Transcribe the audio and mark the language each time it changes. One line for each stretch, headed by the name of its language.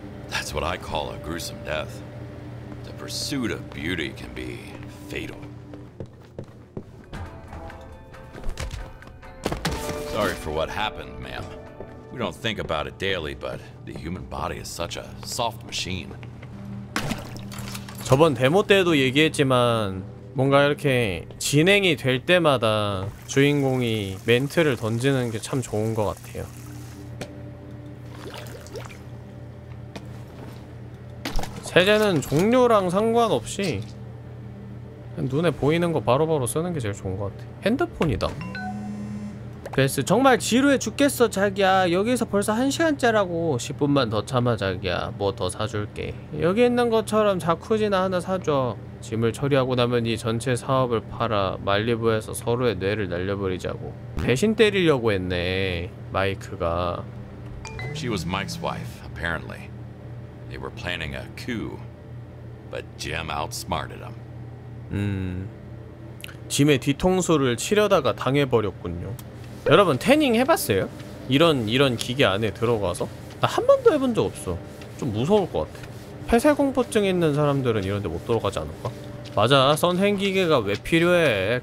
English: That's what I call a gruesome death. The pursuit of beauty can be fatal. Sorry for what happened, ma'am. We don't think about it daily, but the human body is such a soft machine.
Korean: 저번 데모 때도 얘기했지만 뭔가 이렇게 진행이 될 때마다 주인공이 멘트를 던지는 게 참 좋은 것 같아요. 세제는 종류랑 상관없이 눈에 보이는 거 바로바로 쓰는 게 제일 좋은 것 같아. 핸드폰이다. 베스, 정말 지루해 죽겠어 자기야. 여기서 벌써 한 시간째라고. 10분만 더 참아 자기야. 뭐 더 사줄게. 여기 있는 것처럼 자쿠지나 하나 사줘. 짐을 처리하고 나면 이 전체 사업을 팔아 말리부에서 서로의 뇌를 날려버리자고. 배신 때리려고 했네, 마이크가.
English: She was Mike's wife, apparently. They were planning a coup, but Jim outsmarted him.
Korean: 짐의 뒤통수를 치려다가 당해버렸군요. 여러분, 태닝 해봤어요? 이런 기계 안에 들어가서? 나 한 번도 해본 적 없어. 좀 무서울 것 같아. 폐쇄공포증 있는 사람들은 이런데 못 들어가지 않을까? 맞아, 선행 기계가 왜 필요해?